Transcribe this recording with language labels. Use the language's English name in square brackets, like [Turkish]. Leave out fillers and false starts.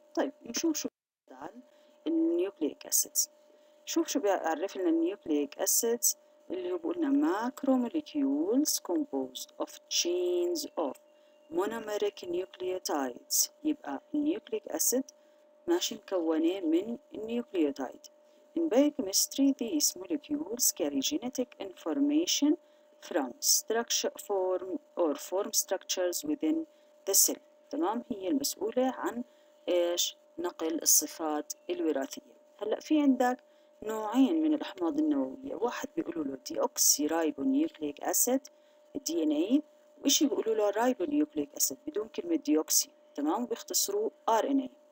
[Arabic] طيب نشوف شو بيعرفنا النيوكليك اسيدز. شوف شو بيعرف لنا النيوكليك اسيدز، اللي هو بقولنا [English] macromolecules composed of chains of monomeric nucleotides. [Arabic] يبقى النيوكليك اسيد ماشي مكونة من النيوكليوتايد. [English] In biochemistry these molecules carry genetic information from structure form or form structures within the cell. [Arabic] تمام، هي المسؤولة عن ايش؟ نقل الصفات الوراثية. هلأ في عندك نوعين من الأحماض النووية، واحد بيقولوا له دي أوكسي رايبو نيوكليك أسيد دي إن إي، وإشي بيقولوا له رايبو نيوكليك أسيد بدون كلمة دي أوكسي، تمام، وبيختصروا آر إن إي.